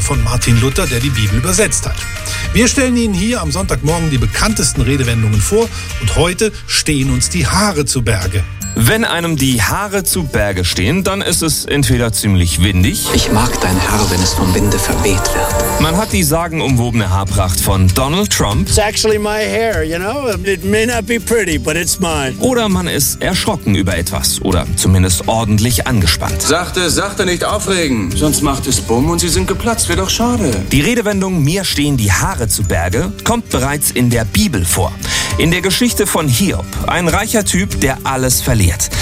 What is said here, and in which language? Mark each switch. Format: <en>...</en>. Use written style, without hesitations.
<de>von Martin Luther, der die Bibel übersetzt hat. Wir stellen Ihnen hier am Sonntagmorgen die bekanntesten Redewendungen vor und heute stehen uns die Haare zu Berge. Wenn einem die Haare zu Berge stehen, dann ist es entweder ziemlich windig. Ich mag dein Haar, wenn es vom Winde verweht wird. Man hat die sagenumwobene Haarpracht von Donald Trump.</de> <en>It's actually my hair, you know. It may not be pretty, but it's mine.</en> <de>Oder man ist erschrocken über etwas oder zumindest ordentlich angespannt. Sachte, sachte, nicht aufregen. Sonst macht es bumm und sie sind geplatzt. Wäre doch schade. Die Redewendung, mir stehen die Haare zu Berge, kommt bereits in der Bibel vor. In der Geschichte von Hiob, ein reicher Typ, der alles verliert.</de>